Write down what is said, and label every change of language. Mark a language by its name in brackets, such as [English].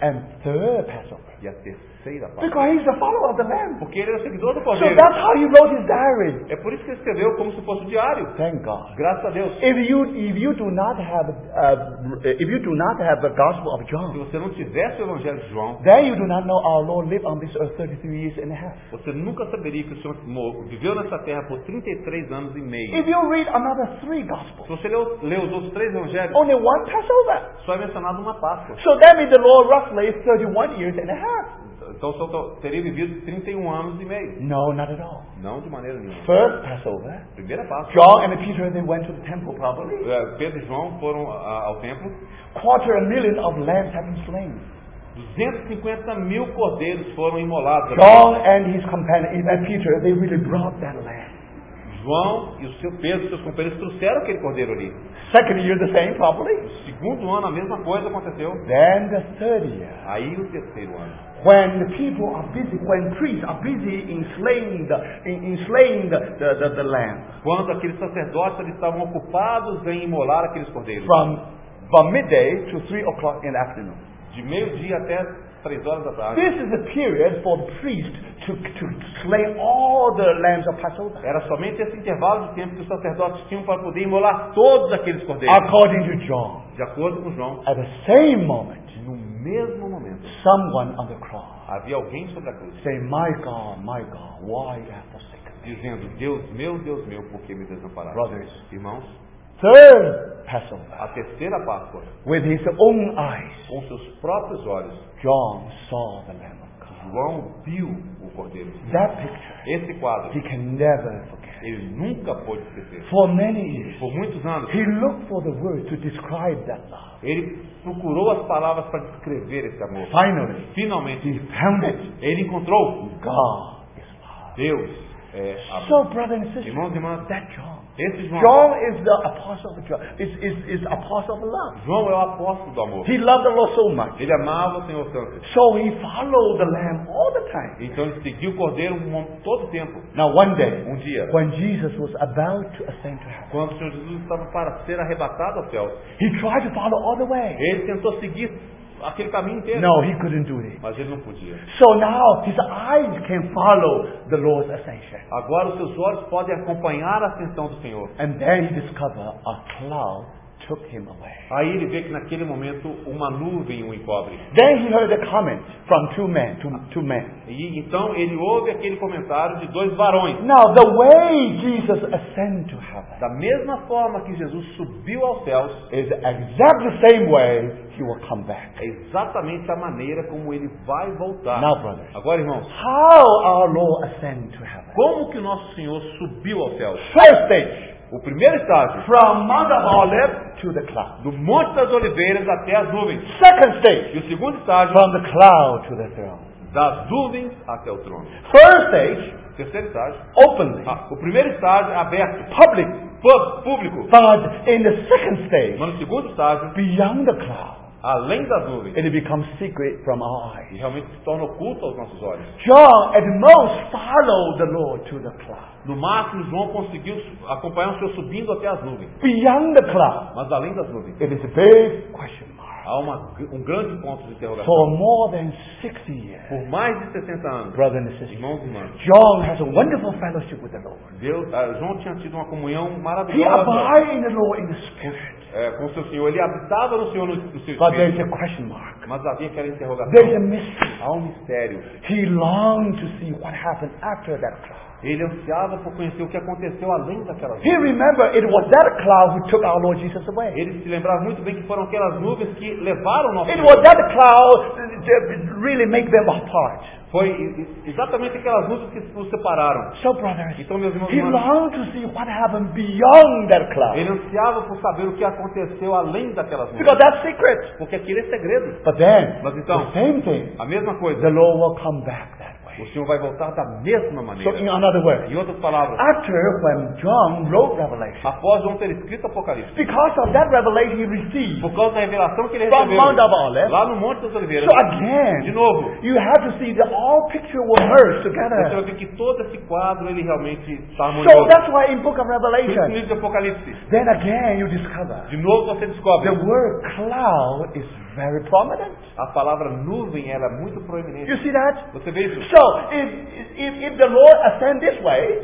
[English] And third Passover. [Portuguese] E a terceira Páscoa. [English] Because he's the follower of the Lamb. [Portuguese] Porque ele é o seguidor do Cordeiro. [English] So that's how he wrote his diary. [Portuguese] É por isso que ele escreveu como se fosse um diário. [English] Thank God. [Portuguese] Graças a Deus. [English] If you do not have the Gospel of John. [Portuguese] Se você não tivesse o Evangelho de João. [English] Then you do not know our Lord lived on this earth 33 years and a half. [Portuguese] Você nunca saberia que o Senhor viveu nessa terra por 33 anos e meio. [English] If you read another three gospels, [Portuguese] se você lê os outros três evangelhos, [English] only one Passover. [Portuguese] Só é mencionado uma Páscoa. [English] So that means the Lord roughly 31 years and a half. [Portuguese] Então só teria vivido 31 anos e meio. [English] No, not at all. [Portuguese] Não de maneira nenhuma. [English] First Passover. [Portuguese] Primeira Páscoa. [English] John and Peter they went to the temple probably. [Portuguese] Pedro e João foram ao templo. [English] Quarter a million of lambs have been slain. [Portuguese] 250 mil cordeiros foram imolados. [English] John and his companion, and Peter, they really brought that lamb. [Portuguese] João e o seu Pedro, seus companheiros, trouxeram aquele cordeiro ali. [English] Second year the same, probably. [Portuguese] O segundo ano a mesma coisa aconteceu. [English] Then the third year. [Portuguese] Aí o terceiro ano. [English] When the people are busy, when priests are busy in slaying the lamb. [Portuguese] Quando aqueles sacerdotes estavam ocupados em imolar aqueles cordeiros. [English] From midday to 3 o'clock in the afternoon. [Portuguese] De meio-dia até 3 horas da tarde. [English] This is the period for the priest to slay all the lambs of Passover. [Portuguese] Era somente esse intervalo de tempo que os sacerdotes tinham para poder imolar todos aqueles cordeiros. [English] According to John. [Portuguese] De acordo com João. [English] At the same moment. [Portuguese] No mesmo momento. [English] Someone on the cross. [Portuguese] Havia alguém sobre a cruz. [English] Saying, my God, why have forsaken me? [Portuguese] Dizendo, Deus meu, por que me desamparaste? [English] Brothers, [Portuguese] irmãos. [English] third Passover, [Portuguese] a terceira Páscoa, [English] with his own eyes, [Portuguese] com seus próprios olhos, [English] John saw the Lamb of God. [Portuguese] João viu o Cordeiro. [English] That picture, [Portuguese] esse quadro, [English] he can never forget. [Portuguese] Ele nunca pôde esquecer. [English] For many years, [Portuguese] por muitos anos, [English] he looked for the words to describe that love. [Portuguese] Ele procurou as palavras para descrever esse amor. [English] Finally, [Portuguese] finalmente, [English] he found it. [Portuguese] Ele encontrou. [English] God is love. [Portuguese] Deus. [English] So, brother and sister, [Portuguese] irmãos e irmãs, [English] that John, [Portuguese] esse João, [English] John is the apostle of John, is apostle of love. [Portuguese] João é o apóstolo do amor. [English] He loved the Lord so much. [Portuguese] Ele amava o Senhor tanto. [English] So he followed the Lamb all the time. [Portuguese] Então ele seguiu o Cordeiro todo o tempo. [English] Now one day, [Portuguese] um dia, [English] when Jesus was about to ascend to heaven, [Portuguese] quando o Senhor Jesus estava para ser arrebatado ao céu, [English] he tried to follow all the way. [Portuguese] Ele tentou seguir aquele caminho inteiro. [English] No, he couldn't do it. [Portuguese] Mas ele não podia. [English] So now his eyes can follow the Lord's ascension. [Portuguese] Agora os seus olhos podem acompanhar a ascensão do Senhor. [English] And then he discovered a cloud took him away. [Portuguese] Aí ele vê que naquele momento uma nuvem o encobre. [English] Then he heard a comment from two men. [Portuguese] E então ele ouve aquele comentário de dois varões. [English] Now the way Jesus ascended to heaven, [Portuguese] da mesma forma que Jesus subiu aos céus, [English] is exactly the same way he will come back. [Portuguese] É exatamente a maneira como ele vai voltar. [English] Now, brothers, [Portuguese] agora, irmãos, [English] how our Lord ascended to heaven? [Portuguese] Como que o nosso Senhor subiu aos céus? [English] First stage. [Portuguese] O primeiro estágio. [English] From Mount of Olives to the cloud. [Portuguese] Do Monte das Oliveiras até as nuvens. [English] Second stage. [Portuguese] E o segundo estágio. [English] From the cloud to the throne. [Portuguese] Das nuvens até o trono. [English] First stage. [Portuguese] Terceiro estágio. [English] Openly. [Portuguese] O primeiro estágio é aberto. [English] Public. [Portuguese] Público. [English] But in the second stage. [Portuguese] Mas no segundo estágio. [English] Beyond the cloud. [Portuguese] Além das nuvens, [English] it becomes secret from our eyes. [Portuguese] E realmente se torna oculto aos nossos olhos. [English] John at most followed the Lord to the cloud. [Portuguese] No máximo, João conseguiu acompanhar o Senhor subindo até as nuvens. [English] Beyond the cloud, [Portuguese] mas além das nuvens, [English] it is a big question mark. [Portuguese] Há um grande ponto de interrogação. [English] For more than 60 years, [Portuguese] por mais de 60 anos, [English] brothers and sisters, [Portuguese] irmãos e irmãs, [English] John has a wonderful fellowship with the Lord. [Portuguese] João tinha tido uma comunhão maravilhosa. [English] He abided in the Lord in the Spirit. [Portuguese] Com o seu Senhor, ele habitava no Senhor no seu [English] But there is a question mark. [Portuguese] Mas havia aquela interrogação. [English] There is a mystery. [Portuguese] Há um mistério. [English] He longed to see what happened after that cloud. [Portuguese] Ele ansiava por conhecer o que aconteceu além daquelas nuvens. [English] He remembered it was that cloud who took our Lord Jesus away. [Portuguese] Ele se lembrava muito bem que foram aquelas nuvens que levaram nosso [English] it [Portuguese] Senhor. [English] It was that cloud that really made them apart. [Portuguese] Foi exatamente aquelas nuvens que nos separaram. [English] So, brothers, [Portuguese] então, meus irmãos, [English] he longed to see what happened beyond that cloud. [Portuguese] Ele ansiava por saber o que aconteceu além daquelas nuvens. [English] Because that's secret. [Portuguese] Porque aquilo é segredo. [English] But then, [Portuguese] mas então, [English] the same thing, [Portuguese] a mesma coisa. [English] The Lord will come back that way. [Portuguese] O Senhor vai voltar da mesma maneira. [English] So, in another word, [Portuguese] em outras palavras, [English] after when John wrote Revelation, [Portuguese] após João ter escrito Apocalipse, [English] because of that revelation he received, [Portuguese] por causa da revelação que ele [English] from [Portuguese] recebeu, [English] Mount of Olives, [Portuguese] lá no Monte das Oliveiras, [English] so again, [Portuguese] de novo, [English] you have to see the all picture will merge together. [Portuguese] Você vai ver que todo esse quadro ele realmente está so harmonioso. [English] That's why in Book of Revelation, [Portuguese] no livro de Apocalipse, [English] then again you discover, [Portuguese] de novo você descobre, [English] the word cloud is very prominent. [Portuguese] A palavra nuvem ela é muito proeminente. [English] You see that? [Portuguese] Você vê isso? [English] So if the Lord ascends this way,